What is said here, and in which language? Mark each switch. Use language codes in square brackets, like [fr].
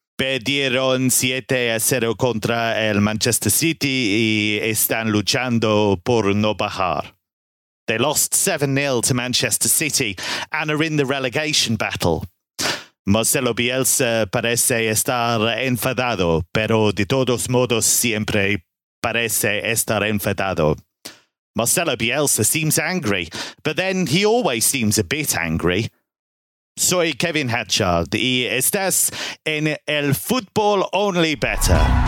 [es] Perdieron 7-0 contra el Manchester City y están luchando por no bajar. [en] They lost 7-0 to Manchester City and are in the relegation battle. [es] Marcelo Bielsa parece estar enfadado, pero de todos modos siempre parece estar enfadado. [en] Marcelo Bielsa seems angry, but then he always seems a bit angry. [es] Soy Kevin Hatchard y estás en El Fútbol Only Better.